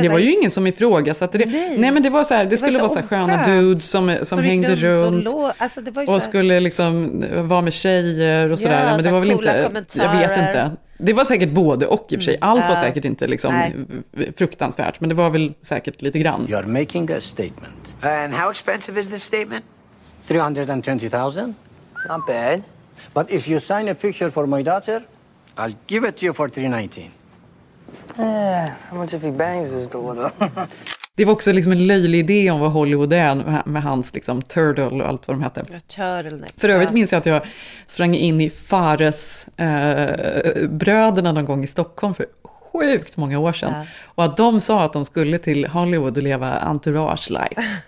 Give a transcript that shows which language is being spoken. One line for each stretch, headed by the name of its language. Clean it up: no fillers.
Swedish: Det var ju ingen som ifrågasatte det. Nej men det var så här, det skulle vara så här sköna dudes som hängde runt och skulle liksom vara med tjejer och sådär. Men det var väl inte, jag vet inte. Det var säkert både och i och för sig. Allt var säkert inte liksom fruktansvärt, men det var väl säkert lite grann.
English: You're making a statement. And how expensive is this statement? 320,000. Not bad. But if you sign a picture for my daughter, I'll give it to you for 319. How much if he bangs his daughter?
Swedish: Det var också liksom en löjlig idé om vad Hollywood är med hans liksom turtle och allt vad de hette. För övrigt minns jag att jag sprang in i Fares bröderna någon gång i Stockholm för sjukt många år sedan. Ja. Och att de sa att de skulle till Hollywood och leva Entourage life.